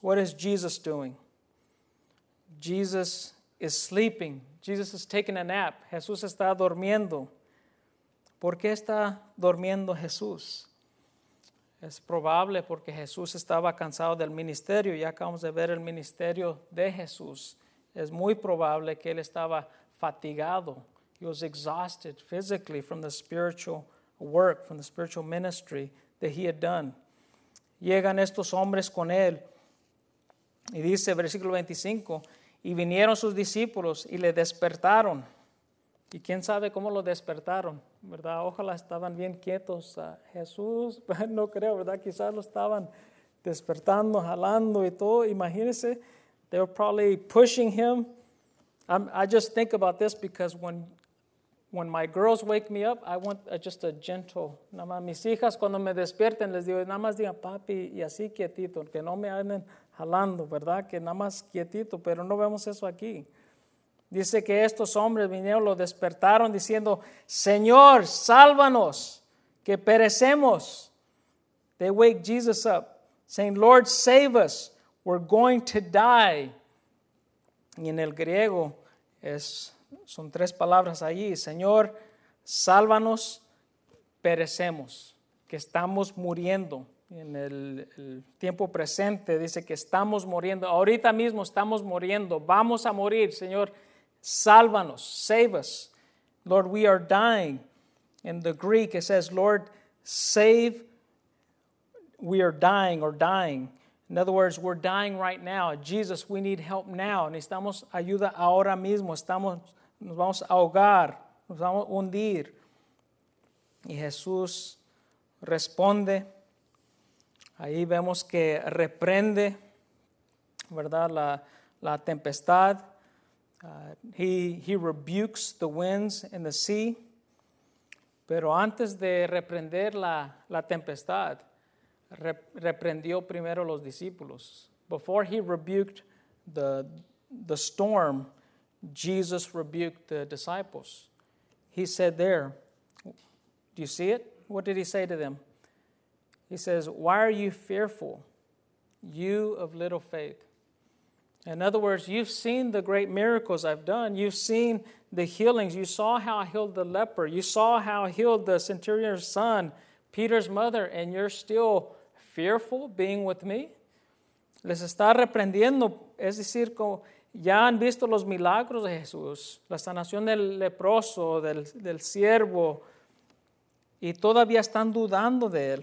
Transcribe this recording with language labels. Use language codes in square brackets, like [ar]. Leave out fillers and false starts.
[en] What is Jesus doing? Jesus is sleeping. Jesus is taking a nap. [es] Jesús está durmiendo. ¿Por qué está durmiendo Jesús? Es probable porque Jesús estaba cansado del ministerio. Ya acabamos de ver el ministerio de Jesús. Es muy probable que él estaba fatigado. [en] He was exhausted physically from the spiritual work, from the spiritual ministry that he had done. [es] Llegan estos hombres con él. Y dice, versículo 25, y vinieron sus discípulos y le despertaron. ¿Y quién sabe cómo lo despertaron? ¿Verdad? Ojalá estaban bien quietos. Jesús, no creo, ¿verdad? Quizás lo estaban despertando, jalando y todo. Imagínense, [en] they were probably pushing him. I just think about this because when my girls wake me up, I want just a gentle. [es] Nada más mis hijas cuando me despierten, les digo, nada más digan papi y así quietito, que no me anden jalando, ¿verdad? Que nada más quietito, pero no vemos eso aquí. Dice que estos hombres vinieron, lo despertaron diciendo, Señor, sálvanos, que perecemos. [en] They wake Jesus up, saying, Lord, save us, we're going to die. [es] Y en el griego, son tres palabras allí, Señor, sálvanos, perecemos, que estamos muriendo. En el tiempo presente dice que estamos muriendo, ahorita mismo estamos muriendo, vamos a morir, Señor. Sálvanos, [en] save us. Lord, we are dying. In the Greek, it says, Lord, save, we are dying or dying. In other words, we're dying right now. Jesus, we need help now. [es] Necesitamos ayuda ahora mismo. Nos vamos a ahogar, nos vamos a hundir. Y Jesús responde. Ahí vemos que reprende, ¿verdad? La tempestad. [en] He rebukes the winds and the sea. [es] Pero antes de reprender la tempestad, reprendió primero los discípulos. [en] Before he rebuked the storm, Jesus rebuked the disciples. He said there, do you see it? What did he say to them? He says, why are you fearful, you of little faith? In other words, you've seen the great miracles I've done. You've seen the healings. You saw how I healed the leper. You saw how I healed the centurion's son, Peter's mother, and you're still fearful being with me? [es] Les está reprendiendo. Es decir, ya han visto los milagros de Jesús, la sanación del leproso, del siervo, y todavía están dudando de él.